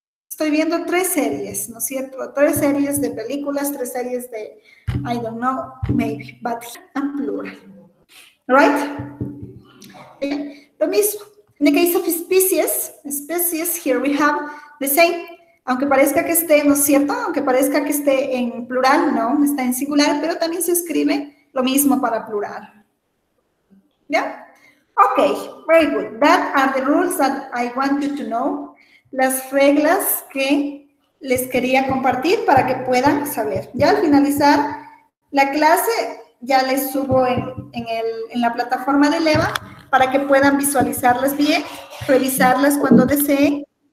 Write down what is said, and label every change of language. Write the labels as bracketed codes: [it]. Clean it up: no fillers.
[es] Estoy viendo tres series, ¿no es cierto? Tres series de películas, tres series de, [en] I don't know, maybe, but I'm plural. Right? [es] Lo mismo. [en] In the case of species, species, here we have the same. [es] Aunque parezca que esté, ¿no es cierto? Aunque parezca que esté en plural, no, está en singular, pero también se escribe lo mismo para plural. ¿Ya? [en] Ok, very good. That are the rules that I want you to know. [es] Las reglas que les quería compartir para que puedan saber. Ya al finalizar la clase, ya les subo en la plataforma de Leva para que puedan visualizarlas bien, revisarlas cuando deseen.